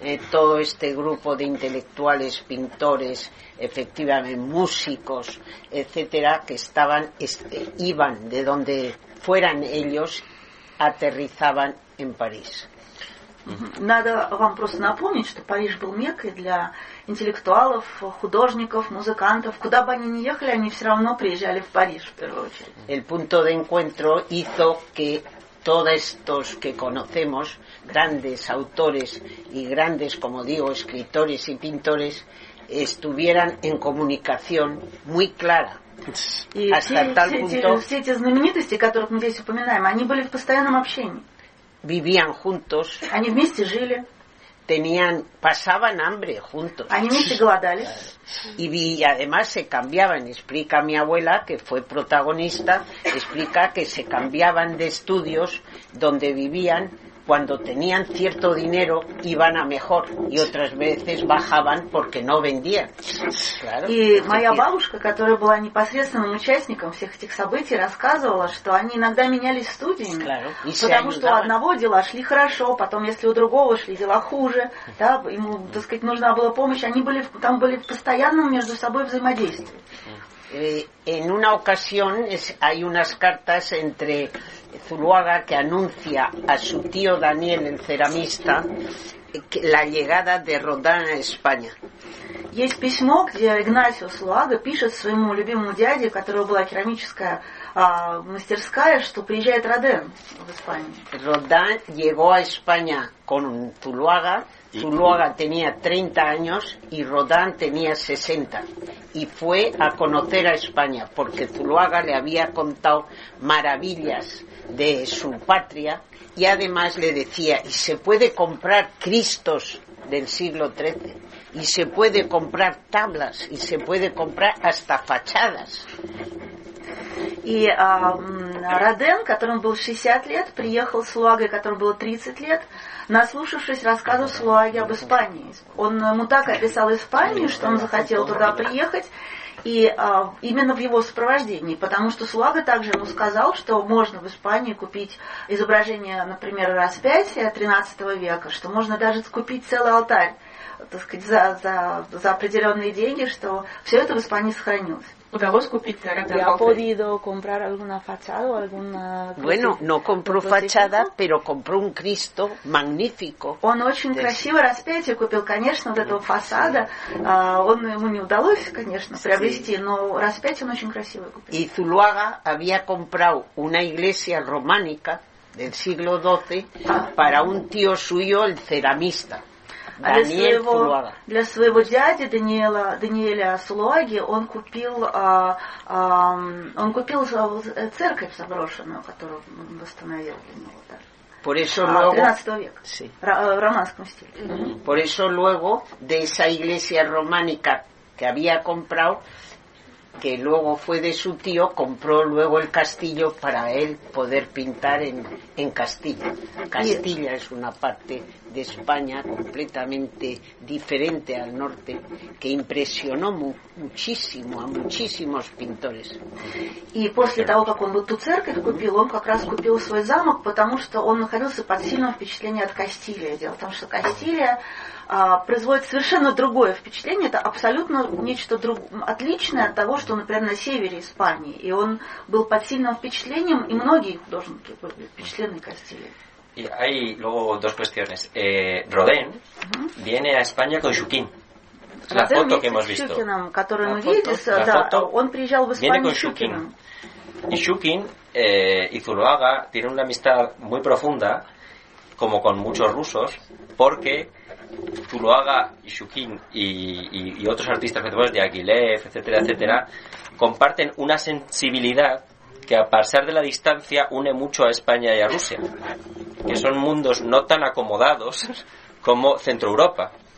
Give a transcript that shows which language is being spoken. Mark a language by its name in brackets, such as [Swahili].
[Spanish] Todo este grupo de intelectuales, pintores, efectivamente músicos, etcétera, que estaban, iban de donde fueran ellos, aterrizaban en París. [Russian] Надо вам просто напомнить, что Париж был меккой для интеллектуалов, художников, музыкантов. Куда бы они ни ехали, они все равно приезжали в Париж, в первую очередь. [Spanish] El punto de encuentro hizo que todos estos que conocemos, grandes autores y grandes, como digo, escritores y pintores, estuvieran en comunicación muy clara. [Russian] И [Spanish] hasta tal punto... [Russian] все эти знаменитости, которых мы здесь упоминаем, они были в постоянном общении. [Spanish] Vivían juntos. [Russian] Они вместе жили. [Spanish] Tenían, pasaban hambre juntos. [Russian] Они вместе голодались. [Spanish] Y además se cambiaban. Explica mi abuela, que fue protagonista, explica que se cambiaban de estudios donde vivían. Cuando tenían cierto dinero, iban a mejor. Y otras veces bajaban porque no vendían. Claro, y [Russian] моя бабушка, которая была непосредственным участником всех этих событий, рассказывала, что они иногда менялись студиями, [Spanish] claro, [Russian] потому что у одного дела шли хорошо, потом, если у другого шли дела хуже, да, ему, так сказать, нужна была помощь. Они были, там были в постоянном между собой взаимодействии. [Spanish] En una ocasión hay unas cartas entre Zuluaga que anuncia a su tío Daniel, el ceramista, la llegada de Rodin a España. [Russian] Есть письмо, где Игнасио Солуага пишет своему любимому дяде, у которого была керамическая мастерская, что приезжает Роден в Испанию. [Spanish] Rodin llegó a España con Zuluaga. Zuluaga tenía 30 años y Rodin tenía 60 y fue a conocer a España porque Zuluaga le había contado maravillas de su patria y además le decía, y se puede comprar Cristos del siglo XIII y se puede comprar tablas y se puede comprar hasta fachadas. [Russian] И Роден, которому был 60 лет, приехал с Луагой, которому было 30 лет, наслушавшись рассказов с Луаги об Испании. Он ему так описал Испанию, что он захотел туда приехать, и именно в его сопровождении, потому что Луага также ему сказал, что можно в Испании купить изображение, например, распятия 13 века, что можно даже купить целый алтарь, так сказать, за определенные деньги, что все это в Испании сохранилось. [Spanish] ¿Ha podido comprar alguna fachada o alguna? Bueno, no compró fachada, pero compró un Cristo magnífico. [Russian] Он очень красиво распятие купил, конечно, вот этого фасада. Он ему не удалось, конечно, приобрести, но распятие он очень красиво купил. [Spanish] Y Zuluaga había comprado una iglesia románica del siglo XII para un tío suyo, el ceramista. [Russian] А для своего дяди Даниэля Солуаги он купил церковь заброшенную, которую он восстановил для него. Да. [Spanish] Por eso luego, [Russian] 13 века, [Spanish] sí. [Russian] В романском стиле. [Spanish] Por eso luego de esa iglesia románica que había comprado, que luego fue de su tío, compró luego el castillo para él poder pintar en Castilla. Castilla es una parte de España completamente diferente al norte que impresionó muchísimo a muchísimos pintores. Y [Russian] после того, как он вот ту церковь купил, он как раз купил свой замок, потому что он находился под сильным впечатлением от Кастилии. Дело в том, что Кастилия производит совершенно другое впечатление, это абсолютно нечто отличное от того, что, например, на севере Испании. И он был под сильным впечатлением, и многие художники были впечатлены Кастилией. [Spanish] Y hay luego dos cuestiones. Rodin viene a España con Jukin. [Russian] Рацер вместе с Щукиным, который мы видели, да, он приезжал в Испанию с Щукиным. [Spanish] Y Щукин y Zuloaga tienen una amistad muy profunda, como con muchos rusos, porque Zuloaga y Щукин y otros artistas contemporáneos de Aguilev, etcétera, etcétera, comparten una sensibilidad que a pesar de la distancia une mucho a España y a Rusia, que son mundos no tan acomodados como Centro Europa.